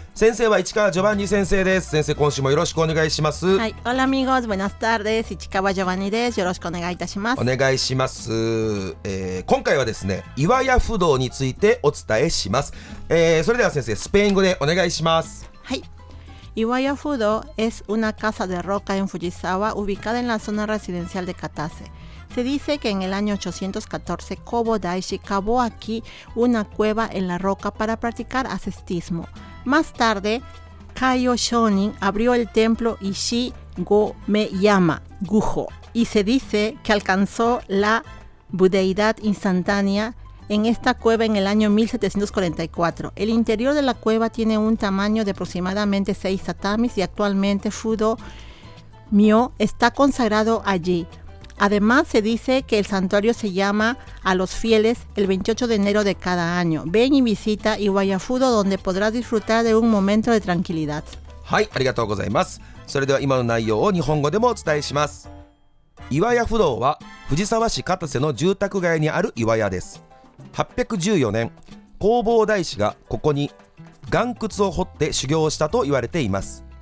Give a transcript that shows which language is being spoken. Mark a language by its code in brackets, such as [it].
[ja] 先生は市川ジョバンニ先生です。先生今週もよろしくお願いします。はい、オラミゴーズブナスタールです。市川ジョバンニです。よろしくお願いいたします。お願いします。今回はですね、岩屋不動についてお伝えします。それでは先生、スペイン語でお願いします。 [es] はい、岩屋不動 es una casa de roca en Fujisawa ubicada en la zona residencial de Katase。 Se dice que en el año 814, Kobo Daishi cavó aquí una cueva en la roca para practicar ascetismo. Más tarde, Kaiyo Shonin abrió el templo Ishi Gomeyama Gujo y se dice que alcanzó la budeidad instantánea en esta cueva en el año 1744. El interior de la cueva tiene un tamaño de aproximadamente 6 tatamis y actualmente Fudo Myo está consagrado allí. Además, se dice que el santuario se llama a los fieles el 28 de enero de cada año. Ven y visita Iwaya Fudo, donde podrás disfrutar de un momento de tranquilidad. [ja] はい、ありがとうございます。それでは今の内容を日本語でもお伝えします。岩屋不動は藤沢市片瀬の住宅街にある岩屋です。 814年、弘法大師がここに岩窟を掘って修行したと言われています。